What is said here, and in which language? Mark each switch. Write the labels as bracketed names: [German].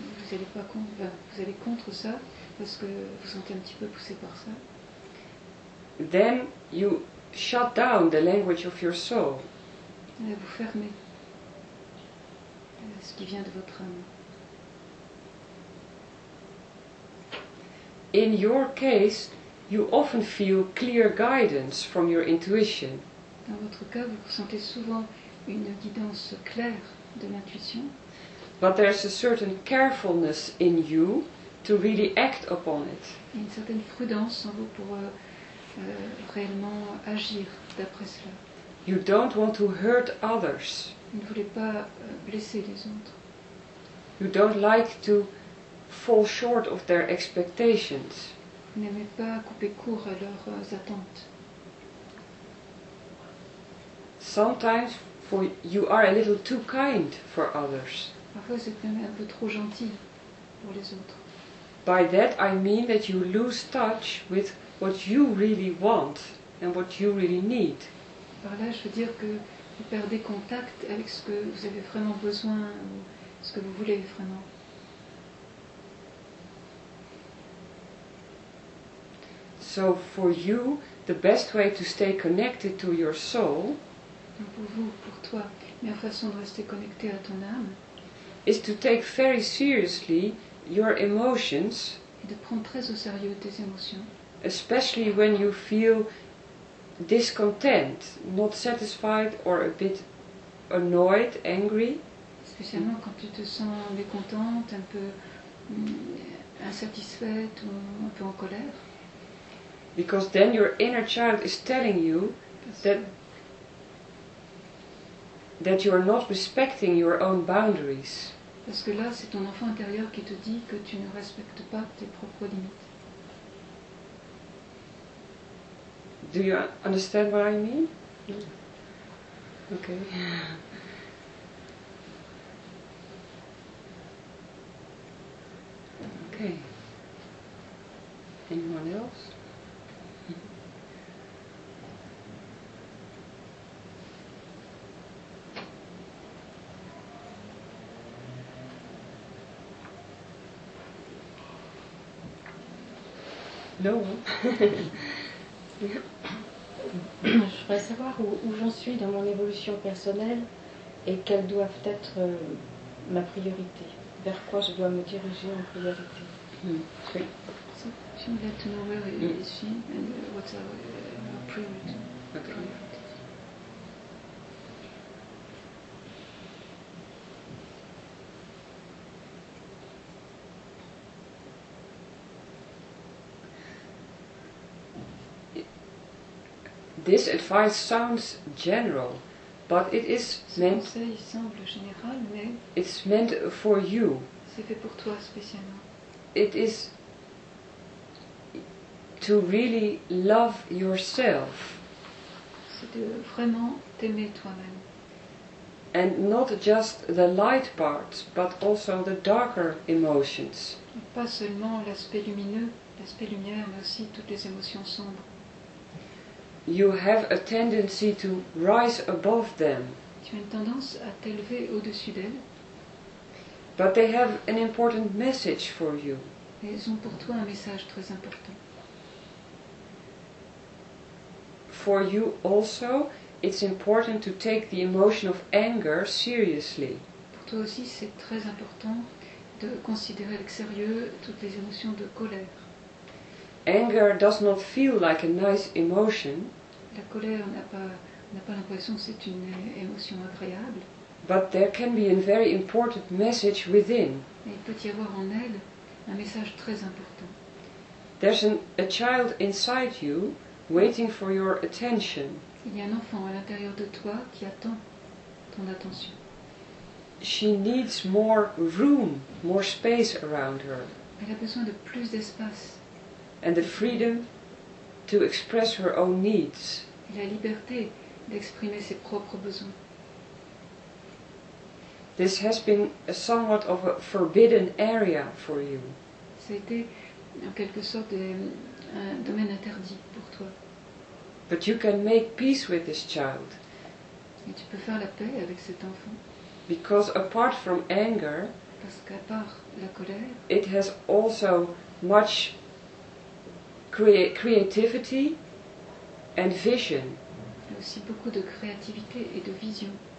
[French] Vous allez contre ça parce que vous sentez un petit peu poussé par ça. [English] Then you shut down the language of your soul. [French] Vous fermez ce qui vient de votre âme. [English] In your case, you often feel clear guidance from your intuition. [French] Dans votre cas, vous ressentez souvent une guidance claire de l'intuition. [English] But there's a certain carefulness in you to really act upon it. [French] Une certaine prudence en vous pour réellement agir d'après cela. [English] You don't want to hurt others. [French] Vous ne voulez pas blesser les autres. [English] You don't like to fall short of their expectations. [French] Vous n'aimez pas couper court à leurs attentes. [English] Sometimes for you are a little too kind for others. [French] Parfois, vous êtes un peu trop gentil pour les autres. [English] By that I mean that you lose touch with what you really want and what you really need. [French] Par là, je veux dire que vous perdez contact avec ce que vous avez vraiment besoin ou ce que vous voulez vraiment. [English] So for you, the best way to stay connected to your soul. [French] Donc pour vous, pour toi, la meilleure façon de rester connecté à ton âme. [English] Is to take very seriously your emotions. [French] Et de prendre très au sérieux tes émotions. [English] Especially when you feel discontent, not satisfied, or a bit annoyed, angry. [French] Spécialement quand tu te sens mécontente, un peu insatisfaite ou un peu en colère. [English] Because then your inner child is telling you that you are not respecting your own boundaries. [French] Parce que là, c'est ton enfant intérieur qui te dit que tu ne respectes pas tes propres limites. [English] Do you understand what I mean? Mm. Okay. Okay. Anyone else? No. [French] Je voudrais savoir où j'en suis dans mon évolution personnelle et quelles doivent être ma priorité. Vers quoi je dois me diriger en priorité. Mm. [English] Okay. So, you know where you is and what's our priority? Okay. This advice sounds general, but it is meant. [French] Ce conseil semble général, mais [English] it's meant for you. [French] C'est fait pour toi spécialement. [English] It is to really love yourself. [French] C'est de vraiment t'aimer toi-même. [English] And not just the light parts, but also the darker emotions. [French] Et pas seulement l'aspect lumineux, l'aspect lumière, mais aussi toutes les émotions sombres. [English] You have a tendency to rise above them. [French] Tu as une tendance à t'élever au-dessus d'elles. [English] But they have an important message for you. [French] Et ils ont pour toi un message très important. [English] For you also, it's important to take the emotion of anger seriously. [French] Pour toi aussi, c'est très important de considérer avec sérieux toutes les émotions de colère. [English] Anger does not feel like a nice emotion. [French] La colère n'a pas l'impression que c'est une émotion agréable. [English] But there can be a very important message within. [French] Et il peut y avoir en elle un message très important. [English] There's a child inside you waiting for your attention. [French] Il y a un enfant à l'intérieur de toi qui attend ton attention. [English] She needs more room, more space around her. [French] Elle a besoin de plus d'espace. [English] And the freedom to express her own needs. [French] Et la liberté d'exprimer ses propres besoins. [English] This has been a somewhat of a forbidden area for you. [French] C'était en quelque sorte un domaine interdit pour toi. [English] But you can make peace with this child. [French] Et tu peux faire la paix avec cet enfant. [English] Because apart from anger, [French] parce qu'à part la colère, [English] it has also much creativity and vision. [French] Il y a aussi beaucoup de créativité et de vision.